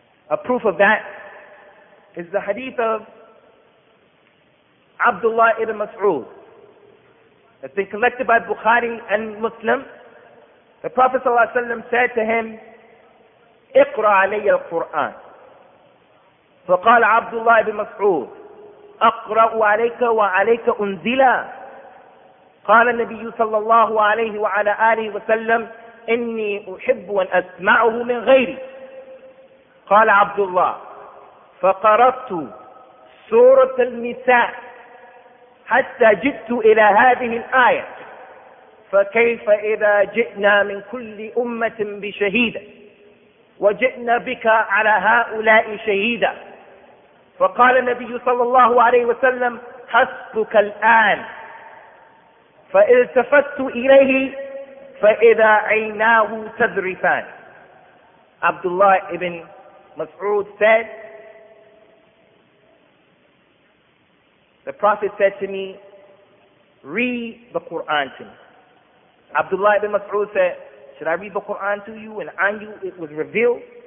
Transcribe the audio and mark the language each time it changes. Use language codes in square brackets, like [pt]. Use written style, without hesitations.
[en] A proof of that is the hadith of Abdullah ibn Mas'ud. That's been collected by Bukhari and Muslim. The Prophet sallallahu alayhi wa sallam said to him, [ar] اقرأ علي القرآن. فقال عبد الله بن مسعود أقرأ عليك وعليك أنزلا. قال النبي صلى الله عليه وعلى آله وسلم إني أحب أن أسمعه من غيري. قال عبد الله فقرأت سورة النساء حتى جئت إلى هذه الآية فكيف إذا جئنا من كل أمة بشهيدة وجئنا بك على هؤلاء شهيدا. فقال النبي صلى الله عليه وسلم حسبك الآن. فالتفت إليه فَإِذَا عَيْنَاهُ تَذْرِفَانِ. [en] Abdullah ibn Mas'ud said, the Prophet said to me, read the Qur'an to me. Abdullah ibn Mas'ud said, should I read the Qur'an to you? And on you it was revealed.